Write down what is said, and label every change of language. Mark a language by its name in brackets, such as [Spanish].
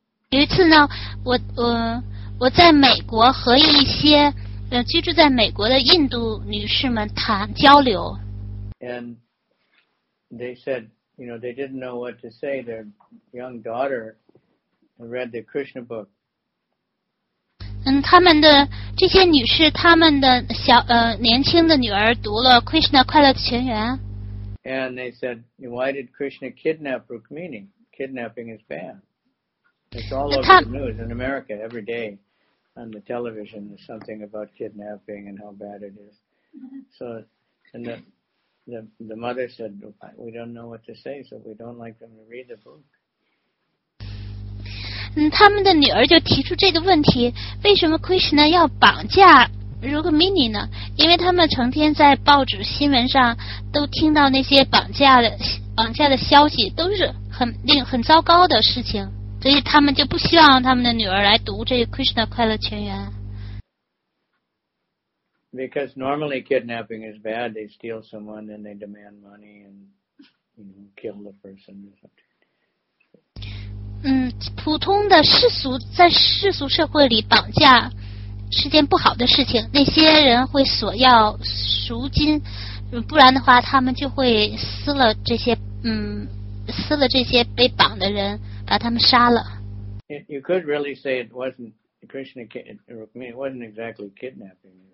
[Chinese] 有一次呢，我在美国和一些居住在美国的印度女士们谈交流。 [English] And they said, you know, they didn't know what to say. Their young daughter read the Krishna book. [Chinese] 他们的这些女士，他们的小年轻的女儿读了《Krishna 快乐全员》。 [English] And they said, why did Krishna kidnap Rukmini? Kidnapping is bad. It's all over the news in America every day on the television. There's something about kidnapping and how bad it is. So, and the mother said, we don't know what to say, so we don't like them to read the book. [Chinese] 他们的女儿就提出这个问题，为什么 Krishna 要绑架 Rukmini 呢？因为他们成天在报纸新闻上都听到那些绑架的消息，都是很糟糕的事情，所以他们就不希望他们的女儿来读这个 Krishna 快乐全员。 [English] Because normally kidnapping is bad. They steal someone and they demand money and you know, kill the person. [Chinese] 普通的世俗，在世俗社会里绑架是件不好的事情，那些人会索要赎金，不然的话他们就会撕了这些被绑的人，把他们杀了。 [English] You could really say it wasn't Krishna, it wasn't exactly kidnapping.